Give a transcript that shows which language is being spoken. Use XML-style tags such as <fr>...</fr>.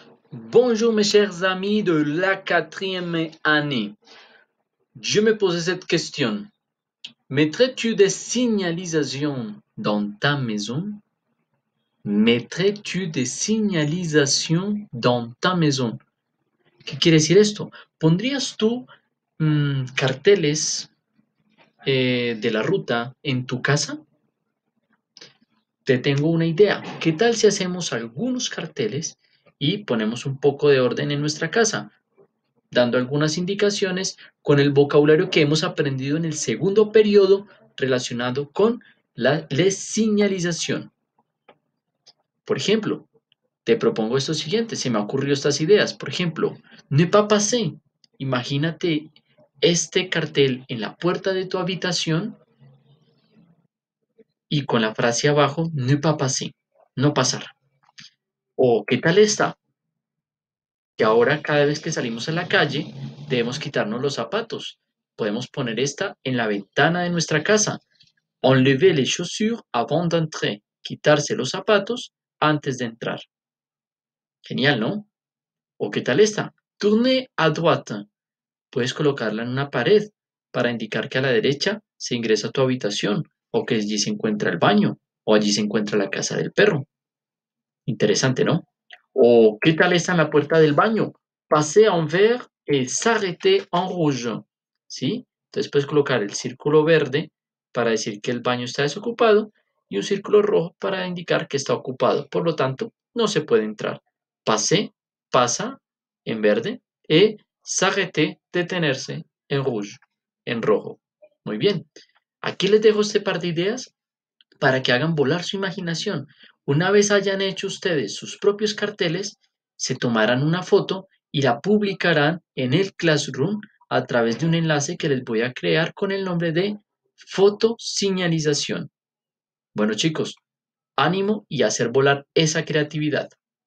<fr>Bonjour mes chers amis de la quatrième année. Je me posais cette question. Mettrais-tu des signalisations dans ta maison? Mettrais-tu des signalisations dans ta maison?</fr> <es>¿Qué quiere decir esto? ¿Pondrías tú carteles de la ruta en tu casa? Te tengo una idea. ¿Qué tal si hacemos algunos carteles y ponemos un poco de orden en nuestra casa, dando algunas indicaciones con el vocabulario que hemos aprendido en el segundo periodo relacionado con la señalización? Por ejemplo, te propongo esto siguiente, se me han ocurrido estas ideas. Por ejemplo,</es> <fr>Ne pas passer.</fr> <es>Imagínate este cartel en la puerta de tu habitación y con la frase abajo, Ne pas passer, no pasar. ¿O qué tal está? Que ahora cada vez que salimos a la calle debemos quitarnos los zapatos. Podemos poner esta en la ventana de nuestra casa.</es> <fr>Enlever les chaussures avant d'entrer.</fr> <es>Quitarse los zapatos antes de entrar. Genial, ¿no? ¿O qué tal esta?</es> <fr>Tourner à droite.</fr> <es>Puedes colocarla en una pared para indicar que a la derecha se ingresa a tu habitación o que allí se encuentra el baño o allí se encuentra la casa del perro. Interesante, ¿no? ¿O qué tal está en la puerta del baño?</es> <fr>Passer en vert et s'arrêter en rouge.</fr> <es>¿Sí? Entonces puedes colocar el círculo verde para decir que el baño está desocupado y un círculo rojo para indicar que está ocupado. Por lo tanto, no se puede entrar.</es> <fr>Passer,</fr> <es>pasa en verde</es> <fr>et s'arrêter,</fr> <es>detenerse</es> <fr>en rouge,</fr> <es>en rojo. Muy bien. Aquí les dejo este par de ideas para que hagan volar su imaginación. Una vez hayan hecho ustedes sus propios carteles, se tomarán una foto y la publicarán en el Classroom a través de un enlace que les voy a crear con el nombre de fotosignalización. Bueno, chicos, ánimo y hacer volar esa creatividad.</es>